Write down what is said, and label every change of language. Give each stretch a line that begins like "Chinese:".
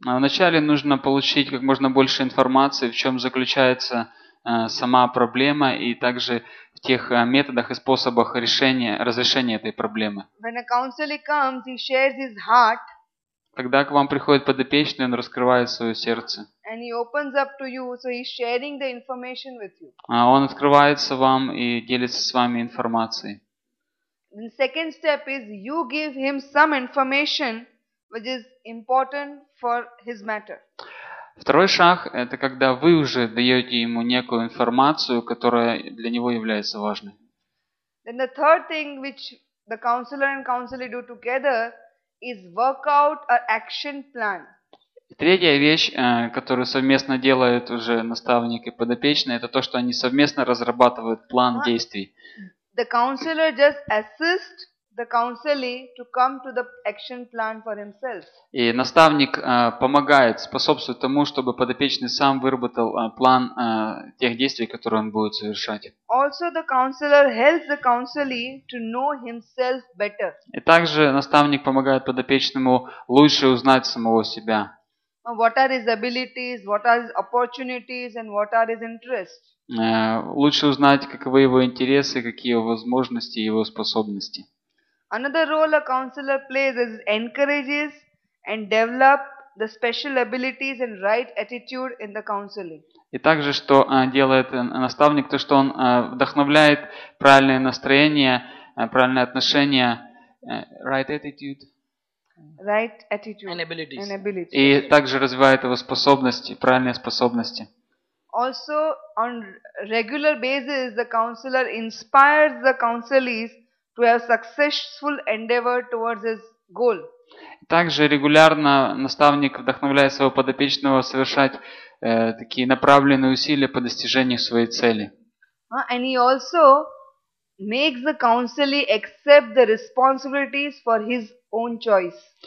Russian: Вначале нужно получить как можно больше информации, в чем заключается сама проблема и также в тех методах и способах решения, разрешения этой проблемы.
English: When a counselor comes, he shares his heart.
Russian: Когда к вам приходит подопечный, он раскрывает свое сердце.
English: And he opens up to you, so he's sharing the information with you.
Russian: Он открывается вам и делится с вами информацией.
English: The second step is you give him some information which is important for his matter.
Russian: Второй шаг – это когда вы уже даете ему некую информацию, которая для него является важной.
English: Then the third thing which the counselor and counselee do together is work out an action plan.
Russian: Третья вещь, которую совместно делают уже наставник и подопечный, это то, что они совместно разрабатывают план действий.
English: The counselor just assist the counselee to come to the action plan for himself.
Russian: И наставник помогает, способствует тому, чтобы подопечный сам выработал план тех действий, которые он будет совершать.
English: Also, the counselor helps the counselee to know himself better.
Russian: И также наставник помогает подопечному лучше узнать самого себя.
English: What are his abilities, what are his opportunities, and what are his interests?
Russian: Лучше узнать, каковы его интересы, какие его возможности, его способности.
English: Another role a counselor plays is encourages and develop the special abilities and right attitude in the counseling.
Russian: И также, что делает наставник, то, что он вдохновляет правильное настроение, правильное отношение,
English: right attitude. Right attitude and abilities. And abilities.
Russian: И также развивает его способности, правильные способности.
English: Also, on regular basis, the counselor inspires the counselees to have successful endeavor towards his goal.
Russian: Также регулярно наставник вдохновляет своего подопечного совершать такие направленные усилия по достижению своей цели.
English: And he also makes the counselee accept the responsibilities for his own choice.